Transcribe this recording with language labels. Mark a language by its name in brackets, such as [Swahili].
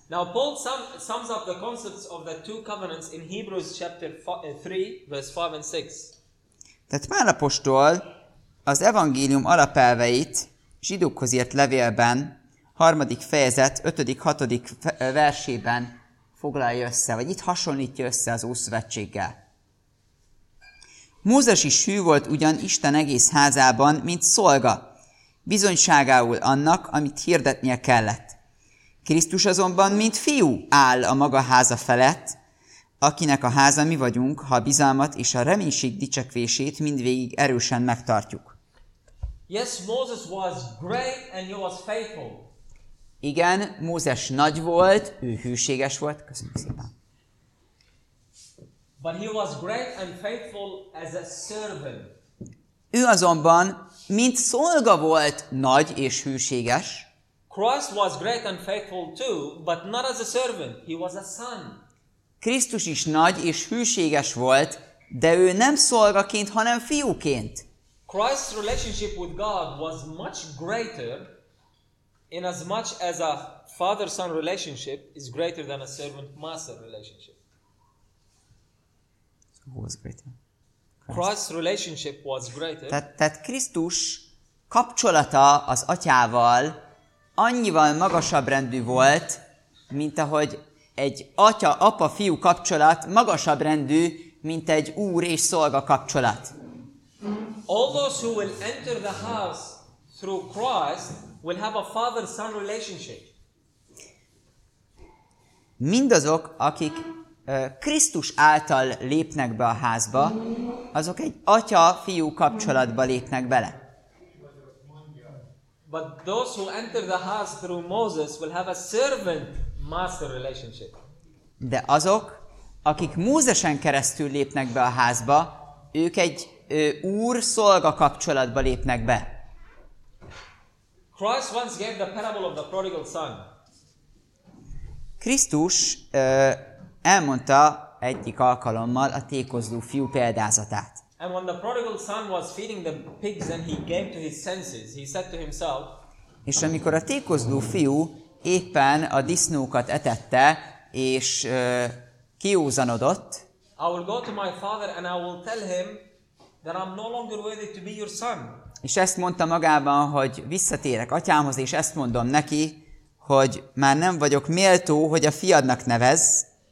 [English] Now Paul sums up the concepts of the two covenants in Hebrews chapter 3 verse 5 and 6. [Hungarian] Tehát Pál apostol az evangélium alapelveit zsidókhoz írt levélben, 3. fejezet, 5. 6. versében foglalja össze, vagy itt hasonlítja össze az Ószövetséggel. Mózes is hű volt ugyan Isten egész házában, mint szolga, bizonyságául annak, amit hirdetnie kellett. Krisztus azonban, mint fiú áll a maga háza felett, akinek a háza mi vagyunk, ha a bizalmat és a reménység dicsekvését mindvégig erősen megtartjuk. [English] Yes, Moses was great and he was faithful. [Hungarian] Igen, Mózes nagy volt, ő hűséges volt. Köszönöm szépen. [English] But he was great and faithful as a servant. [Hungarian] Ő azonban, mint szolga volt, nagy és hűséges. [English] Christ was great and faithful too, but not as a servant. He was a son. [Hungarian] Krisztus is nagy és hűséges volt, de ő nem szolgaként, hanem fiúként. [English] Christ's relationship with God was much greater, in as much as a father-son relationship is greater than a servant-master relationship. Who was greater? Christ's relationship was greater. [Hungarian] Tehát Krisztus kapcsolata az atyával annyival magasabb rendű volt, mint ahogy egy atya-apa-fiú kapcsolat magasabb rendű, mint egy úr és szolga kapcsolat. [English] All those who will enter the house through Christ will have a father-son relationship. [Hungarian] Mindazok, akik Krisztus által lépnek be a házba, azok egy atya-fiú kapcsolatba lépnek bele. [English] But those who enter the house through Moses will have a servant-master relationship. [Hungarian] De azok, akik Mózesen keresztül lépnek be a házba, ők egy úr-szolga kapcsolatba lépnek be. [English] Christ once gave the parable of the prodigal son. [Hungarian] Krisztus elmondta egyik alkalommal a tékozló fiú példázatát. [English] And when the prodigal son was feeding the pigs and he came to his senses, he said to himself. [Hungarian] És amikor a tékozló fiú éppen a disznókat etette és kiózanodott. [English] I will go to my father and I will tell him that I'm no longer worthy to be your son. [Hungarian] És ezt mondta magában, hogy visszatérek atyámhoz, és ezt mondom neki, hogy már nem vagyok méltó, hogy a fiadnak nevezz.